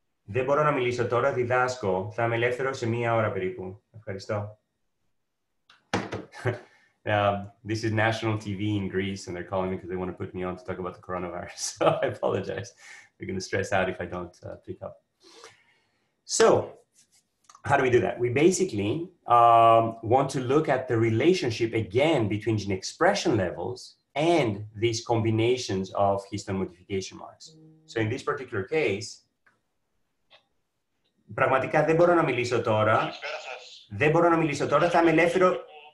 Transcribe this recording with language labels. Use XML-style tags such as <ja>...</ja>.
<el>Δεν μπορώ να μιλήσω τώρα, διδάσκω. Θα είμαι ελεύθερο σε μία ώρα περίπου. Ευχαριστώ.</el> <en>This is national TV in Greece, and they're calling me because they want to put me on to talk about the coronavirus. So I apologize. They're going to stress out if I don't pick up. So how do we do that? We basically want to look at the relationship again between gene expression levels and these combinations of histone modification marks. So in this particular case,</en> <el>πραγματικά δεν μπορώ να μιλήσω τώρα. Δεν μπορώ να μιλήσω τώρα. Θα είμαι ελεύθερο.</el>